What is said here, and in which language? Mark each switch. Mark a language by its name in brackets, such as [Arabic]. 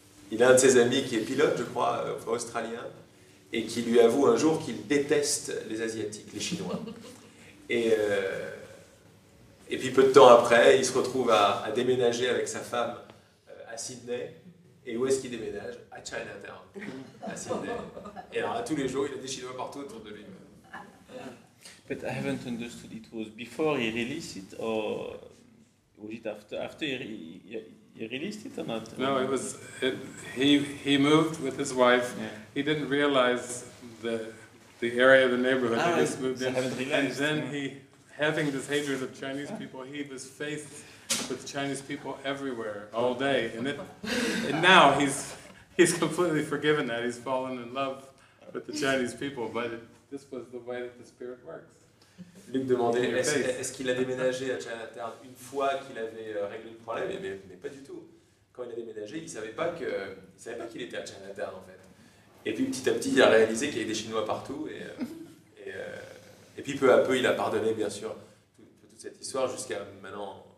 [French] Il a un de ses amis qui est pilote, je crois, australien, et qui lui avoue un jour qu'il déteste les Asiatiques, les Chinois. Et puis peu de temps après, il se retrouve à déménager avec sa femme à Sydney. Et où est-ce qu'il déménage? À Chinatown, à Sydney. Et alors, à tous les jours, il y a des Chinois partout autour de lui. [English] But I haven't understood it was before he released it, or was it after he released it or not? No, it was, he moved with his wife. Yeah. He didn't realize the area of the neighborhood. Ah, he just moved in. Realized. And then he, having this hatred of Chinese people, he was faced with Chinese people everywhere, all day, and now he's completely forgiven that, he's fallen in love with the Chinese people, but this was the way that the Spirit works. [French] Luc demandait, est-ce qu'il a déménagé à Chinatown une fois qu'il avait réglé le problème? Mais pas du tout. Quand il a déménagé, il savait pas qu'il était à Chinatown, en fait. Et puis petit à petit, il a réalisé qu'il y avait des Chinois partout, et puis peu à peu, il a pardonné, bien sûr, toute cette histoire jusqu'à maintenant.